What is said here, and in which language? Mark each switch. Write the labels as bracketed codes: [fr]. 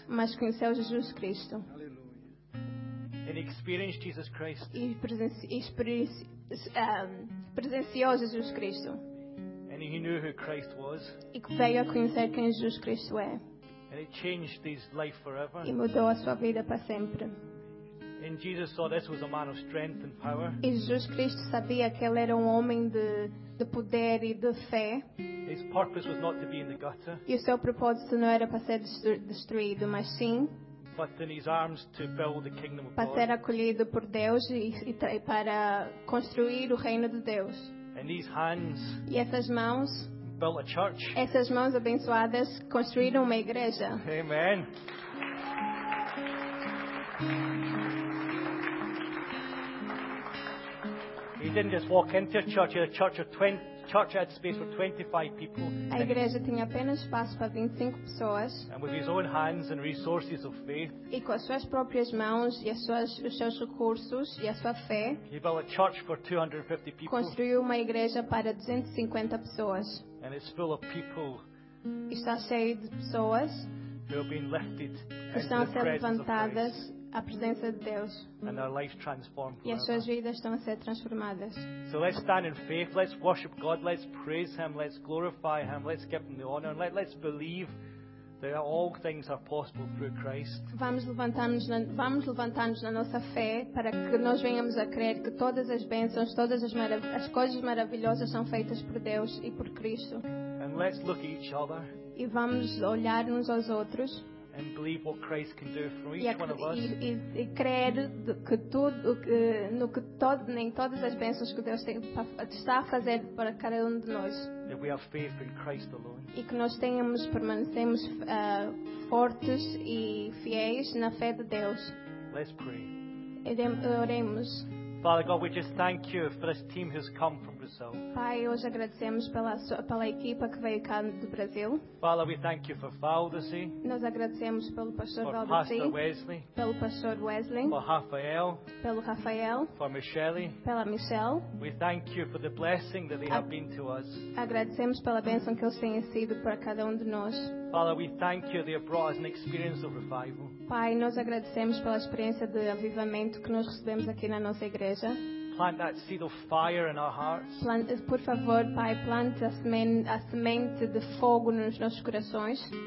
[pt] Mas conheceu Jesus Cristo. [en] Hallelujah. And experienced Jesus Christ. [pt] E presenciou Jesus Cristo. [en] And he knew who Christ was. [pt] E veio a conhecer quem Jesus Cristo é. [en] And it changed his life forever. [pt] E mudou a sua vida para sempre. [en] And Jesus saw this was a man of strength and power. [pt] E Jesus Cristo sabia que ele era um homem de poder e de fé. [en] His purpose was not to be in the gutter. [pt] E o seu propósito não era para ser destruído, mas sim. [en] But in his arms to build the kingdom of God. [pt] Para ser acolhido por Deus e para construir o reino de Deus. [en] And these hands [pt] e essas mãos, [en] built a church. [pt] Essas mãos abençoadas construíram uma igreja. [en] Amen. He didn't just walk into a church. A church of 20, church had space for 25 people. [pt] A igreja tinha apenas espaço para 25 pessoas. [en] And with his own hands and resources of faith. [pt] E com as suas próprias mãos e os seus recursos e a sua fé. [en] He built a church for 250 people. [pt] Construiu uma igreja para 250 pessoas. [en] And it's full of people. [pt] E está cheio de pessoas. [en] Who have been lifted. [pt] Que estão sendo levantadas. A presença de Deus. [en] And their life transformed forever. [pt] E as suas vidas estão a ser transformadas. [en] So let's stand in faith, let's worship God, let's praise Him, let's glorify Him, let's give Him the honor, and let's believe that all things are possible through Christ. [pt] Vamos levantar-nos na nossa fé para que nós venhamos a crer que todas as bênçãos, todas as, as coisas maravilhosas são feitas por Deus e por Cristo. [en] And let's look at each other. [pt] E vamos olhar uns aos outros. [en] And believe what Christ can do for each one of us. [pt] E crer que tudo, no que todo, em todas as bênçãos que Deus está a fazer para cada de nós. [en] That we have faith in Christ alone. [pt] E que nós tenhamos, permanecemos fortes e fiéis na fé de Deus. [en] Let's pray. [pt] Oremos. [en] Father God, we just thank you for this team who's come from Brazil. [pt] Pai, hoje agradecemos pela equipa que veio cá do Brasil. [en] Father, we thank you for Valdeci. [pt] Nós agradecemos pelo pastor Valdeci. [en] For Pastor Wesley. [pt] Pelo pastor Wesley. [en] For Rafael. [pt] Pelo Rafael. [en] For Michelle. [pt] Pela Michelle. [en] We thank you for the blessing that they have been to us. [pt] Agradecemos pela bênção que eles têm sido para cada de nós. [en] Father, we thank you they have brought us an experience of revival. [pt] Pai, nós agradecemos pela experiência de avivamento que nós recebemos aqui na nossa igreja. [en] Plant that seed of fire in our hearts. [pt] Por favor, Pai, plante a semente de fogo nos nossos corações.